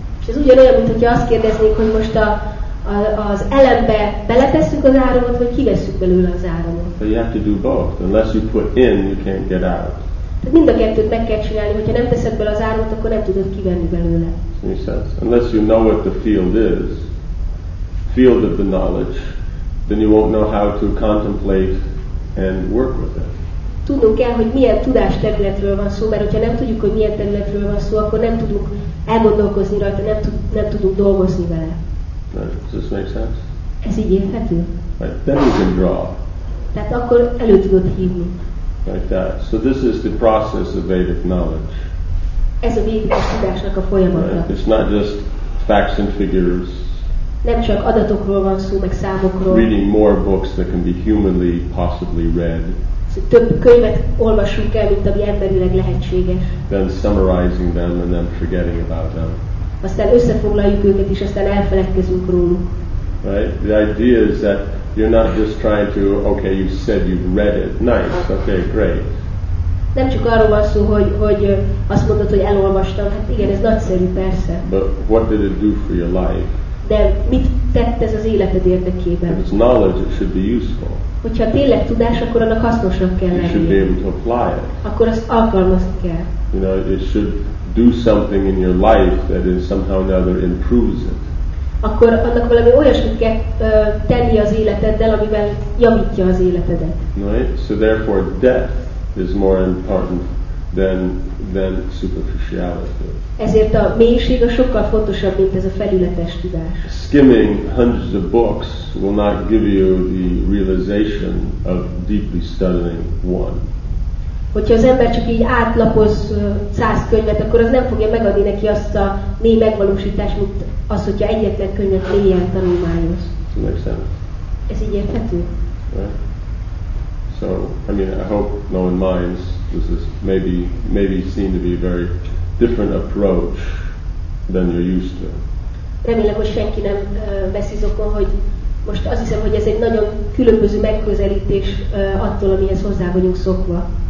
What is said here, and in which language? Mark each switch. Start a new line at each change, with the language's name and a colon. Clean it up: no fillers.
Hungarian: És ez ugyanolyan, mint hogyha azt kérdeznék, hogy most az elembe beletesszük az áramot, vagy kivesszük belőle az áramot.
English: But you have to do both. Unless you put in, you can't get out.
Hungarian: Tehát mind a kettőt meg kell csinálni, hogyha nem teszed bele az áramot, akkor nem tudod kivenni belőle.
English: He says, unless you know what the field is, field of the knowledge, then you won't know how to contemplate and work with it.
Hungarian: Tudnunk kell, hogy milyen tudás területről van szó, mert hogyha nem tudjuk, hogy milyen területről van szó, akkor nem tudunk elgondolkozni rajta, nem tudunk dolgozni vele.
English: Does this make sense?
Hungarian: Ez így érthető.
English: Right. Then you can draw.
Hungarian: Tehát akkor elő tudod hívni.
English: Like that. So this is the process of Vedic knowledge.
Hungarian: Ez a védikus tudásnak a folyamata.
English: Right. It's not just facts and figures.
Hungarian: Nem csak adatokról van szó, meg számokról.
English: Reading more books that can be humanly possibly read.
Hungarian: Több könyvet olvasunk el, mint ami emberileg lehetséges.
English: Then summarizing them and then forgetting about them.
Hungarian: Aztán összefoglaljuk őket, és aztán elfelejtkezünk róluk.
English: Right? The idea is that you're not just trying to, okay, you said you've read it. Nice, okay, great.
Hungarian: Nem csak arról van szó, hogy azt mondod, hogy elolvastam. Hát igen, ez nagyszerű, persze.
English: But what did it do for your life?
Hungarian: De mit tett ez az életed érdekében?
English: If it's knowledge, it should be useful.
Hungarian: Hogyha tényleg tudás, akkor annak hasznosnak kell lennie.
English: You should be able to apply it.
Hungarian: Akkor azt alkalmazni kell.
English: You know, it should do something in your life that is somehow or another improves it.
Hungarian: Akkor annak valami olyasmit kell tenni az életeddel, amivel javítja az életedet.
English: Right? So therefore death is more important than superficiality.
Hungarian: Ezért a mélység a sokkal fontosabb, mint ez a felületes tudás.
English: Skimming hundreds of books will not give you the realization of deeply studying one.
Hungarian: Hogyha az ember csak így átlapoz 100 könyvet, akkor az nem fogja megadni neki azt a mély megvalósítást, mint az, hogyha egyetlen könyvet mélyen tanulmányoz. Ez így érthető?
English: Yeah. right? So, I mean, I hope no one minds. This is maybe seem to be a very different approach than you're used to.
Hungarian: Remélem, hogy senki nem vesz izokon, hogy most azt hiszem, hogy ez egy nagyon különböző megközelítés attól, amihez hozzá vagyunk szokva.